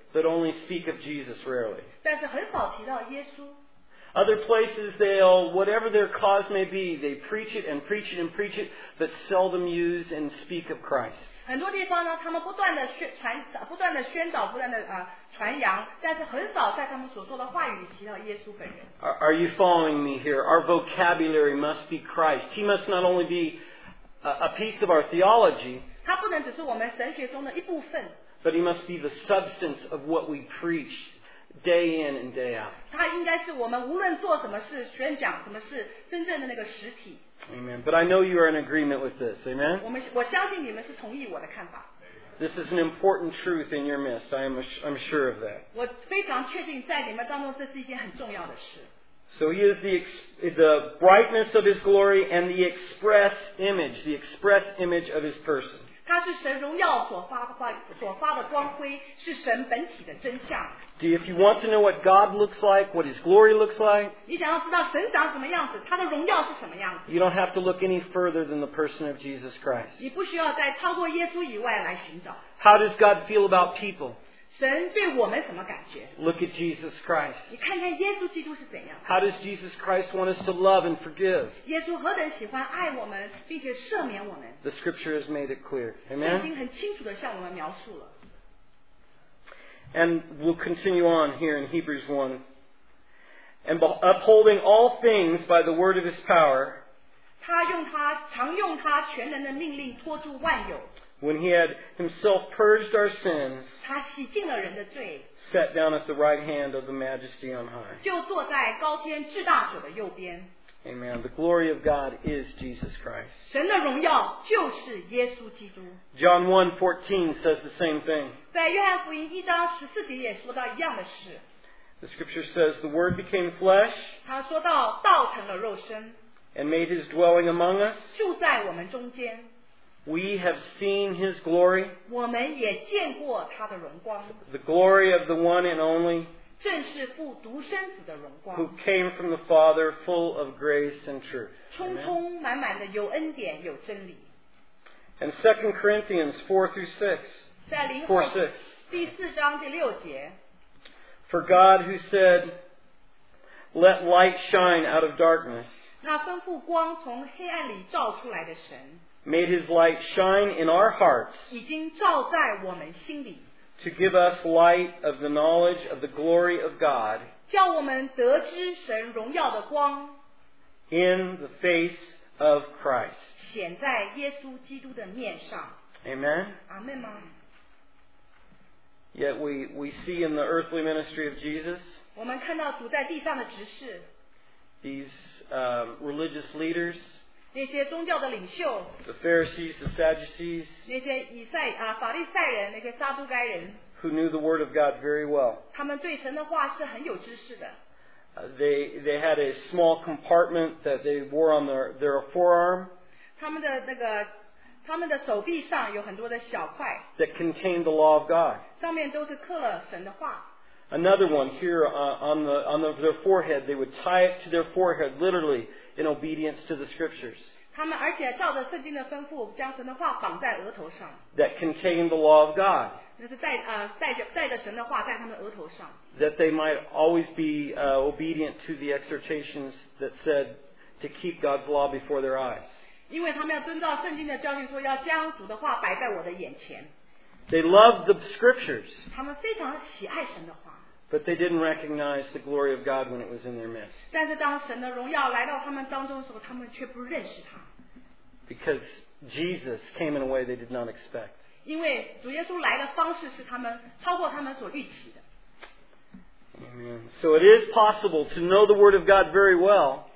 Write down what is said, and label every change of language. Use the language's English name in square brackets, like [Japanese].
[English] But only speak of Jesus rarely. [Chinese] 但是很少提到耶稣。 [English] Other places, they'll, whatever their cause may be, they preach it and preach it and preach it, but seldom use and speak of Christ. [Chinese] 很多地方呢，他们不断的宣导，不断的传扬，但是很少在他们所说的话语里提到耶稣本人。 [English] Are you following me here? Our vocabulary must be Christ. He must not only be a piece of our theology. [Chinese] 他不能只是我们神学中的一部分。 [English] But he must be the substance of what we preach. Day in and day out. [Chinese] 它应该是我们无论做什么事、宣讲什么事，真正的那个实体。 [English] Amen. But I know you are in agreement with this. Amen. [Chinese] 我相信你们是同意我的看法。 [English] This is an important truth in your midst. I'm sure of that. [Chinese] 我非常确定在你们当中这是一件很重要的事。 [English] So he is the brightness of his glory and the express image of his person. [Chinese] 他是神荣耀所发的光辉，是神本体的真相。 [English] If you want to know what God looks like, what His glory looks like, [Chinese] 你想要知道神长什么样子，他的荣耀是什么样子。 [English] You don't have to look any further than the person of Jesus Christ. [Chinese] 你不需要再超过耶稣以外来寻找。 [English] How does God feel about people? [Chinese] 神对我们什么感觉？ [English] Look at Jesus Christ. [Chinese] 你看看耶稣基督是怎样。 [English] How does Jesus Christ want us to love and forgive? [Chinese] 耶稣何等喜欢爱我们，并且赦免我们。 [English] The Scripture has made it clear. Amen. [Chinese] 圣经很清楚地向我们描述了。 [English] And we'll continue on here in Hebrews 1. And upholding all things by the word of his power, [Chinese] 他用他常用他全能的命令托住万有。 [English] When he had himself purged our sins, [Chinese] 他洗净了人的罪。 [English] Sat down at the right hand of the majesty on high. [Chinese] 就坐在高天至大者的右边。 [English] Amen. The glory of God is Jesus Christ. [Chinese] 神的荣耀就是耶稣基督。 [English] John 1:14 says the same thing. [Chinese] 在约翰福音一章十四节也说到一样的事。 [English] The scripture says the word became flesh. [Chinese] 他说到道成了肉身。 [English] And made his dwelling among us. [Chinese] 住在我们中间。 [English] We have seen his glory. [Chinese] 我们也见过他的荣光。 [English] The glory of the one and only. [Chinese] 正是父独生子的荣光。 [English] Who came from the Father, full of grace and truth. [Chinese] 充充满满的有恩典，有真理。 [English] And 2 Corinthians 4 through 6. [Chinese] 在灵后第四章第六节。 [English] For God who said, "Let light shine out of darkness." [Chinese] 那吩咐光从黑暗里照出来的神。 [English] Made his light shine in our hearts. [Chinese] 已经照在我们心里。 [English] To give us light of the knowledge of the glory of God, [Chinese] 叫我们得知神荣耀的光 [English] in the face of Christ, [Chinese] 显在耶稣基督的面上。 [English] Amen. Amen. Yet we see in the earthly ministry of Jesus, [Chinese] 我们看到主在地上的执事 [English] these religious leaders. [Chinese] 那些宗教的领袖 [English] the Pharisees, the Sadducees, [Chinese] 那些法利赛人那些撒都该人 [English] who knew the word of God very well. [Chinese] 他们对神的话是很有知识的 [English] they had a small compartment that they wore on their forearm. [Chinese] 他们的手臂上有很多的小块 [English] that contained the law of God. [Chinese] 上面都是刻了神的话。 [English] Another one here on their forehead, they would tie it to their forehead, literally, in obedience to the scriptures. [Chinese] 他们而且照着圣经的吩咐，将神的话绑在额头上。 [English] That contain the law of God. [Chinese] 就是带着神的话在他们额头上。 [English] That they might always be obedient to the exhortations that said to keep God's law before their eyes. [Chinese] 因为他们要遵照圣经的教训，说要将主的话摆在我的眼前。 [English] They loved the scriptures. [Chinese] 他们非常喜爱神的话。 [English] But they didn't recognize the glory of God when it was in their midst. [Chinese] 但是当神的荣耀来到他们当中的时候，他们却不认识他。 [English] Because Jesus came in a way they did not expect. [Chinese] 因为主耶稣来的方式是他们超过他们所预期的。 [English] Amen. So it is possible to know the word of God very well.